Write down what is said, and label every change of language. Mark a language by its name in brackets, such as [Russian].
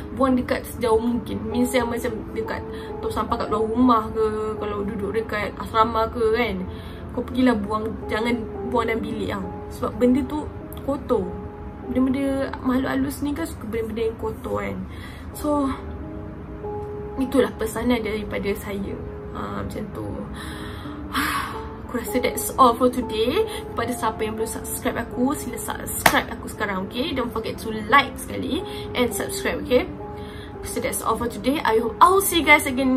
[Malay] Buang dekat sejauh mungkin. Means yang macam dekat tu sampah kat luar rumah ke, kalau duduk dekat asrama ke kan, kau pergilah buang. Jangan buang dalam bilik lah, sebab benda tu kotor. Benda-benda makhluk halus ni kan suka benda-benda yang kotor kan. So itulah pesanan daripada saya. Macam tu. Aku rasa [English] that's all for today. [Malay] Kepada siapa yang belum subscribe aku, sila subscribe aku sekarang, okay? [English] Don't forget to like sekali and subscribe, okay? So that's all for today. I hope I'll see you guys again in my next video. Bye. Assalamualaikum. Take care and stay safe.